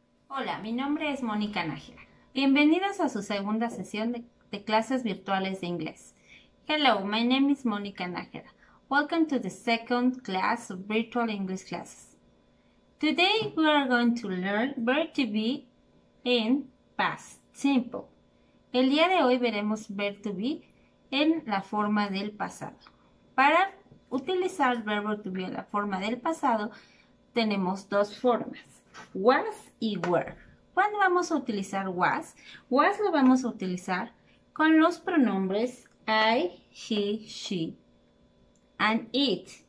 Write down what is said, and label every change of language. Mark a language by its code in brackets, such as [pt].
[es] Hola, mi nombre es Mónica Nájera. Bienvenidos a su segunda sesión de clases virtuales de inglés. [en] Hello, my name is Mónica Nájera. Welcome to the second class of virtual English classes. Today we are going to learn verb to be in past simple. [es] El día de hoy veremos verb to be en la forma del pasado. Para utilizar el verbo to be en la forma del pasado, tenemos dos formas. Was y were. ¿Cuándo vamos a utilizar was? Was lo vamos a utilizar con los pronombres I, he, she, and it.